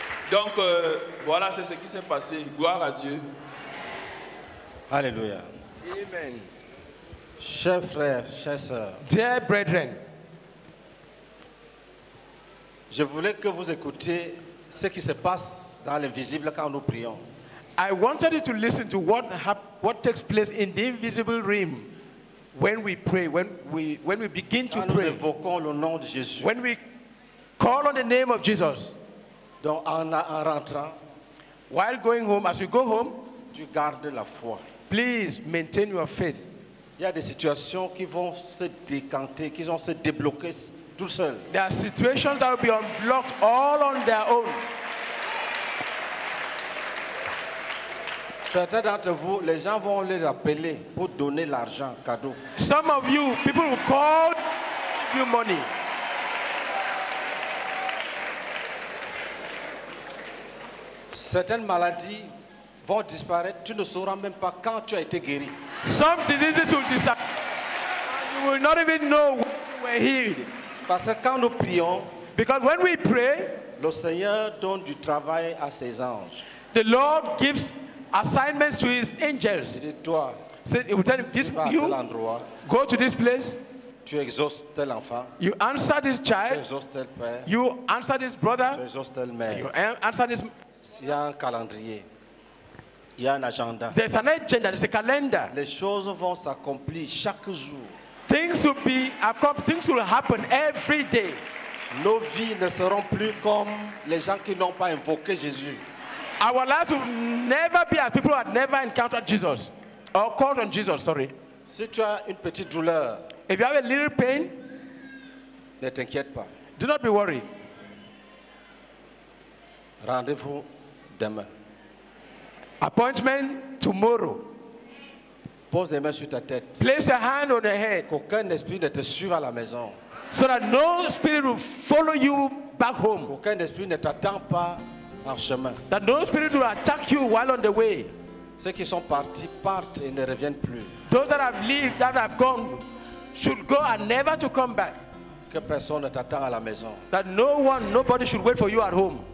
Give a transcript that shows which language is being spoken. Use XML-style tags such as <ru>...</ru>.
<fr>Donc, voilà, c'est ce qui s'est passé. Gloire à Dieu. Alléluia. Amen. Chers frères, chers sœurs.</fr> <en>Dear brethren.</en> <fr>Je voulais que vous écoutiez ce qui se passe dans l'invisible quand nous prions.</fr> <en>I wanted you to listen to what takes place in the invisible realm when we pray, when we begin to</en> <fr>quand</fr> <en>pray.</en> <fr>Nous évoquons le nom de Jésus.</fr> <en>When we call on the name of Jesus.</en> <fr>Donc en rentrant,</fr> <en>while going home, as you go home,</en> <fr>tu gardes la foi.</fr> <en>Please maintain your faith.</en> <fr>Il y a des situations qui vont se décanter, qui vont se débloquer tout seul.</fr> <en>There are situations that will be unblocked all on their own.</en> <fr>Certains d'entre vous, les gens vont les appeler pour donner l'argent cadeau.</fr> <en>Some of you people will call you money.</en> <fr>Certaines maladies vont disparaître. Tu ne sauras même pas quand tu as été guéri.</fr> <en>Some diseases will disappear. You will not even know when you were healed.</en> <fr>Parce que quand nous prions,</fr> <en>because when we pray,</en> <fr>le Seigneur donne du travail à ses anges.</fr> <en>The Lord gives assignments to his angels.</en> <fr>Il dit toi,</fr> <en>so he will tell this you,</en> <fr>endroit,</fr> <en>go to this place.</en> <fr>Tu exhaustes tel enfant.</fr> <en>You answer this child.</en> <fr>Tu exhaustes tel père.</fr> <en>You answer this brother.</en> <fr>Tu exhaustes telle mère.</fr> <en>You answer this.</en> <fr>S'il y a un calendrier, il y a un agenda.</fr> <en>There's an agenda, there's a calendar.</en> <fr>Les choses vont s'accomplir chaque jour.</fr> <en>Things will happen every day.</en> <fr>Nos vies ne seront plus comme les gens qui n'ont pas invoqué Jésus.</fr> <en>Our lives will never be as people who had never encountered Jesus or called on Jesus. Sorry.</en> <fr>Si tu as une petite douleur,</fr> <en>if you have a little pain,</en> <fr>ne t'inquiète pas.</fr> <en>Do not be worried.</en> <fr>Rendez-vous demain.</fr> <en>Appointment tomorrow.</en> <fr>Pose les mains sur ta tête.</fr> <en>Place your hand on your head.</en> <fr>Qu'aucun esprit ne te suive à la maison.</fr> <en>So that no spirit will follow you back home.</en> <fr>Qu'aucun esprit ne t'attend pas en chemin.</fr> <en>That no spirit will attack you while on the way.</en> <fr>Ceux qui sont partis partent et ne reviennent plus.</fr> <en>Those that have left, that have gone, should go and never to come back.</en> <fr>Que personne ne t'attend à la maison.</fr> <en>That no one, nobody should wait for you at home.</en>